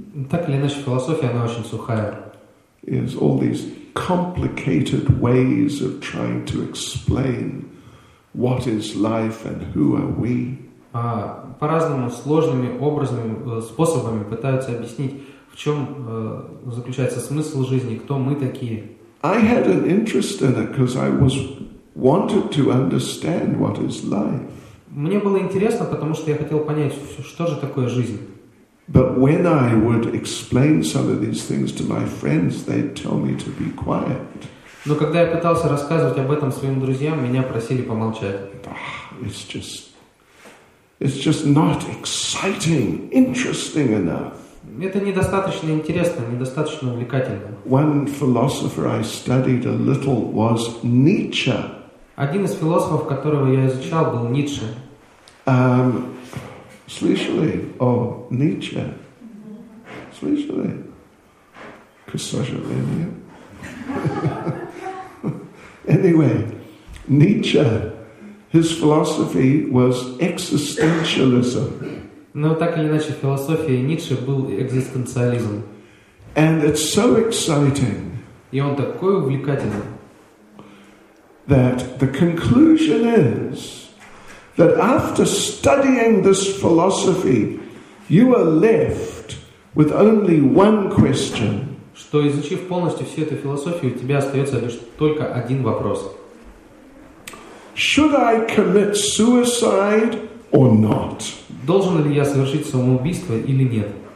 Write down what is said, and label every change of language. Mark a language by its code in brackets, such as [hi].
[ru] Так или иначе, философия, она очень сухая. [en] Yes, all these complicated ways of trying to explain what is life and who are we. [ru] По-разному, сложными образами, способами пытаются объяснить, в чем заключается смысл жизни, кто мы такие. [en] I had an interest in it because I was wanted to understand what is life. [ru] Мне было интересно, потому что я хотел понять, что же такое жизнь. [en] But when I would explain some of these things to my friends, they'd tell me to be quiet. [ru] Но когда я пытался рассказывать об этом своим друзьям, меня просили помолчать. [en] It's just not exciting, interesting enough. [ru] Это недостаточно интересно, недостаточно увлекательно. [en] One philosopher I studied a little was Nietzsche. [ru] Один из философов, которого я изучал, был Ницше. Слышали о Ницше? Слышали? К сожалению. [en] Anyway, Nietzsche, his philosophy was existentialism. [ru] Но так или иначе, философия Ницше был экзистенциализм. [en] And it's so exciting. [ru] И он такой увлекательный. [en] That the conclusion is that after studying this philosophy, you are left with only one question. [ru] Что изучив полностью всю эту философию, у тебя остается лишь только один вопрос. [en] Should I commit suicide or not? [ru] Должен ли я совершить самоубийство или нет?